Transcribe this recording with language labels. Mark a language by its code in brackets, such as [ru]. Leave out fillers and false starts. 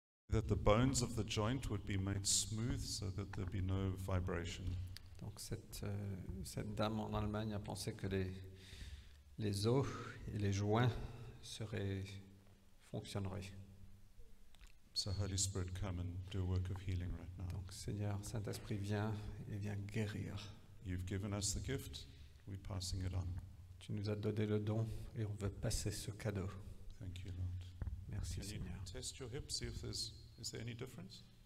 [en] That the bones of the joint would be made smooth so that there'd be no vibration. [fr] Donc cette dame en Allemagne a pensé que les os et les joints fonctionneraient. [en] So Holy Spirit, come and do a work of healing right now. [fr] Donc Seigneur, Saint-Esprit, viens et viens guérir. [en] You've given us the gift, we're passing it on. [fr] Tu nous as donné le don et on veut passer ce cadeau. [en] Thank you, Lord. [fr] Merci, [en] Can [fr] Seigneur. [en] You test your hips, see if there's Is there any difference?